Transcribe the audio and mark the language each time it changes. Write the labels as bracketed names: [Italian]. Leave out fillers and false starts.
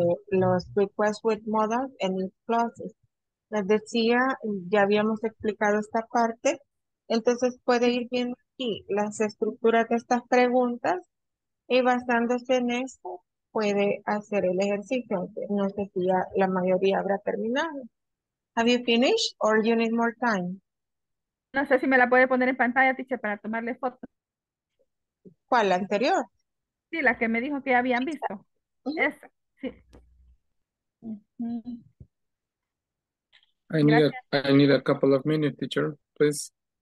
[Spanish] Los [English] requests with model and clauses. [Spanish] Les decía, ya habíamos explicado esta parte, entonces puede ir viendo aquí las estructuras de estas preguntas y basándose en eso puede hacer el ejercicio. No sé si ya la mayoría habrá terminado. [English] Have you finished or you need more time? [Spanish] No sé si me la puede poner en pantalla, teacher, para tomarle foto. ¿Cuál, la anterior? Sí, la que me dijo que habían visto. [English] I need a couple of minutes, teacher, please.